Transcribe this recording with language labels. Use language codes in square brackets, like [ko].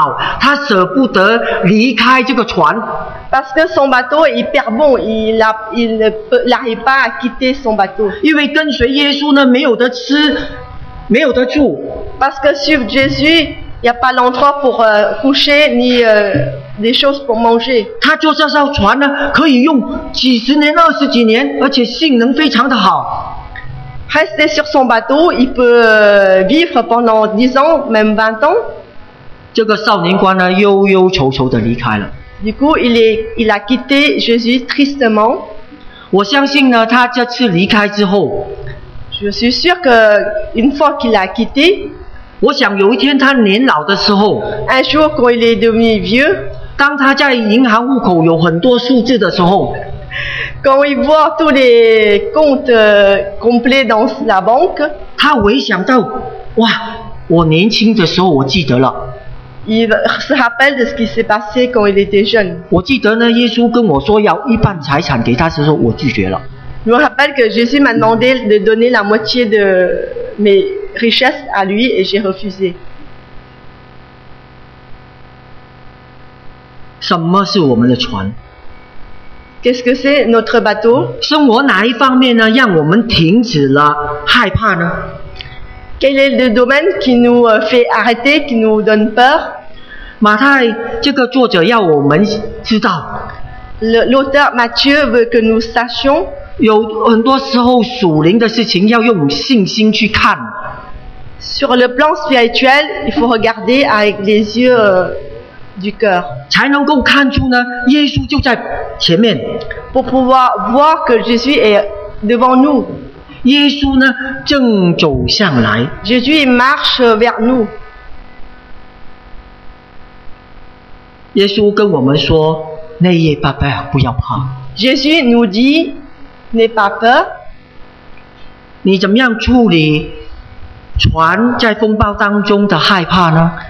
[zh] 哦，因为他的船呢非常的好，他舍不得离开这个船。 [fr] Parce que son bateau est hyper bon, il n'arrive pas à quitter son bateau. [zh] 因为跟随耶稣呢没有得吃，没有得住。 [fr] Parce que suivre Jésus, il n'y a pas l'endroit pour coucher ni des choses pour manger. [zh] 他坐这艘船呢，可以用几十年、二十几年，而且性能非常的好。 [fr] Rester sur son bateau, il peut vivre pendant 10 ans, même 20 ans. [zh] 这个少年官呢，忧忧愁愁的离开了。 [fr] Du coup, il a quitté Jésus tristement. [zh] 我相信呢，他这次离开之后， [fr] Je suis sûr qu'une fois qu'il a quitté, [zh] 我想有一天他年老的时候， [fr] Un jour quand il est devenu vieux, [zh] 当他在银行户口有很多数字的时候， [fr] Quand il voit tous les comptes complets dans la banque, [zh] 他回想到， 哇， 我年轻的时候我记得了， [fr] Il se rappelle de ce qui s'est passé quand il était jeune. [zh] 我记得呢， 耶稣跟我说要一半财产给他的时候， 我拒绝了。 [fr] Je me rappelle que Jésus m'a demandé de donner la moitié de mes richesses à lui et j'ai refusé. [zh] 什么是我们的船？ [fr] Qu'est-ce que c'est notre bateau? [zh] 生活哪一方面呢， 让我们停止了害怕呢？ [fr] Quel est le domaine qui nous fait arrêter, qui nous donne peur? [zh] 马太这个作者要我们知道， [fr] L'auteur Matthieu veut que nous sachions. [zh] 有很多时候属灵的事情要用信心去看。 [fr] Sur le plan spirituel, il faut regarder avec les yeux du cœur. [zh] 才能够看出呢， 耶稣就在前面。 [fr] Pour pouvoir voir que Jésus est devant nous. [zh] 耶稣呢， 正走向来。 [fr] Jésus marche vers nous. [zh] 耶稣跟我们说， 内业 [fr] pas peur， [zh] 不要怕。 [fr] Jésus nous dit, n'aie pas peur. [zh] 你怎么样处理 船在风暴当中的害怕呢？